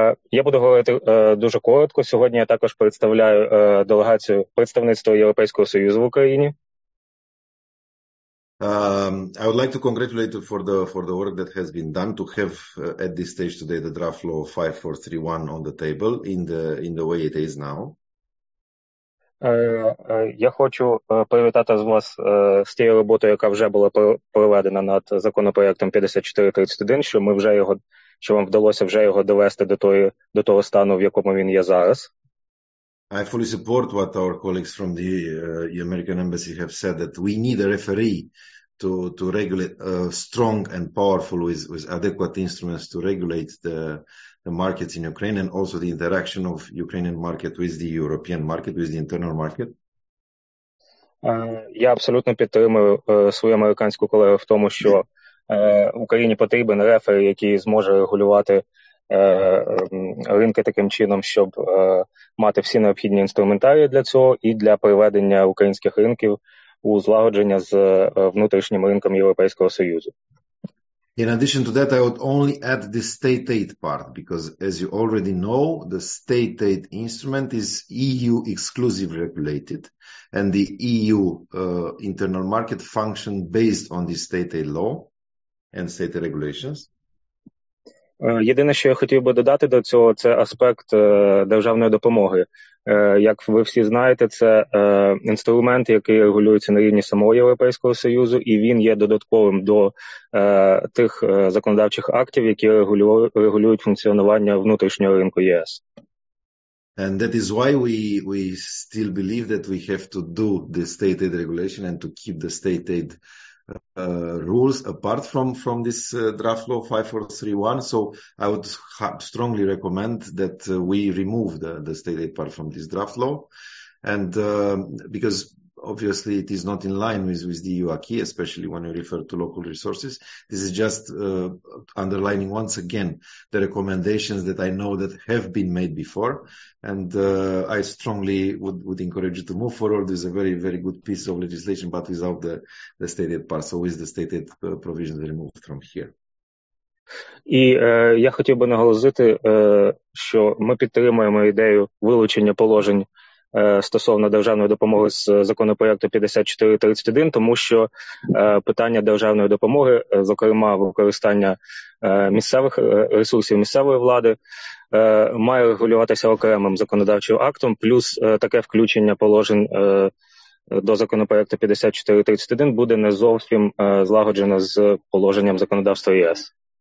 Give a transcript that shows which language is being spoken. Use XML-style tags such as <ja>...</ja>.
<uk>Я буду говорити дуже коротко. Сьогодні я також представляю делегацію представництва Європейського Союзу в Україні.</uk> <en>I would like to congratulate you for the work that has been done to have at this stage today the draft law 5431 on the table in the way it is now.</en> <uk>Я хочу привітати вас з тією роботою, яка вже була проведена над законопроектом 5431, що вам вдалося вже його довести до того стану, в якому він є зараз.</uk> <en>I fully support what our colleagues from the American embassy have said, that we need a referee to regulate strong and powerful with adequate instruments to regulate the markets in Ukraine and also the interaction of Ukrainian market with the European market, with the internal market.</en> <uk>Я абсолютно підтримую свою американську колегу в тому, що Україні потрібен рефер, який зможе регулювати ринки таким чином, щоб мати всі необхідні інструментарії для цього і для приведення українських ринків у злагодження з внутрішнім ринком Європейського Союзу.</uk> <en>In addition to that, I would only add the state aid part, because as you already know, the state aid instrument is EU exclusive regulated, and the EU internal market function based on the state aid law and state aid regulations.</en> <uk>Єдине, що я хотів би додати до цього, це аспект державної допомоги. Як ви всі знаєте, це інструмент, який регулюється на рівні самого Європейського Союзу, і він є додатковим до тих законодавчих актів, які регулюють функціонування внутрішнього ринку ЄС.</uk> <en>And that is why we still believe that we have to do the state aid regulation and to keep the state aid rules apart from this draft law 5431. So I would strongly recommend that we remove the state aid part from this draft law, and because obviously it is not in line with the EU acquis, especially when you refer to local resources. This is just underlining once again the recommendations that I know that have been made before, and I strongly would encourage you to move forward. This is a very, very good piece of legislation, but without the stated part, so with the stated provisions removed from here.</en> <uk>І я хотів би наголосити, що ми підтримуємо ідею вилучення положень стосовно державної допомоги з законопроекту 5431, тому що питання державної допомоги, зокрема використання місцевих ресурсів місцевої влади, має регулюватися окремим законодавчим актом, плюс таке включення положень до законопроекту 5431 буде не зовсім злагоджено з положенням законодавства ЄС.</uk>